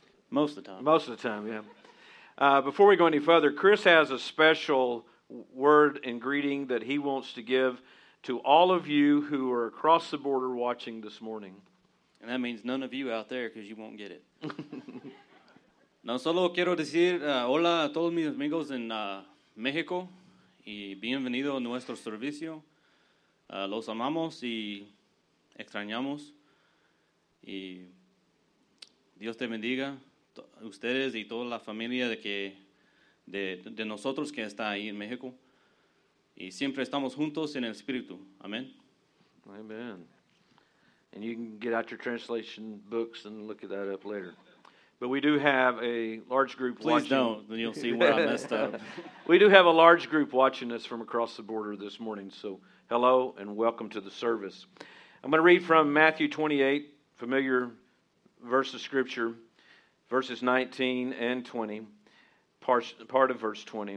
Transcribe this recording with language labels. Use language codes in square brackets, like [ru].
[en] Most of the time, yeah. Before we go any further, Chris has a special word and greeting that he wants to give to all of you who are across the border watching this morning. And that means none of you out there, because you won't get it. [es] No solo quiero decir hola a todos mis amigos en México y bienvenido a nuestro servicio. Los amamos y extrañamos. Y Dios te bendiga, ustedes y toda la familia de nosotros que está ahí en México. Y siempre estamos juntos en el Espíritu. Amén. [en] Amen. And you can get out your translation books and look at that up later. But we do have a large group Please watching. Please don't, then you'll see where I messed up. We do have a large group watching us from across the border this morning. So hello and welcome to the service. I'm going to read from Matthew 28, familiar verse of Scripture, verses 19 and 20, part of verse 20.